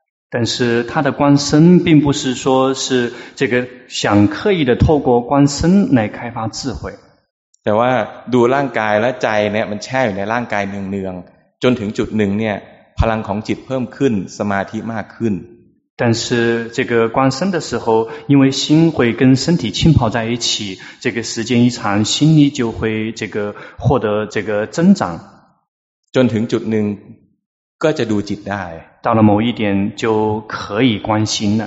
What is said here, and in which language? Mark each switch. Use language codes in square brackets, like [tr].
[zh] 但是他的观身并不是说是这个想刻意的透过观身来开发智慧。 [th] แต่ว่าดูร่างกายและใจเนี่ยมันแช่อยู่ในร่างกายเนืองๆจนถึงจุดหนึ่งเนี่ยพลังของจิตเพิ่มขึ้นสมาธิมากขึ้น [zh] 但是这个观身的时候因为心会跟身体浸泡在一起这个时间一长心力就会这个获得这个增长。 [th] จนถึงจุดหนึ่งก็จะดูจิตได้ [zh] 到了某一点就可以关心了。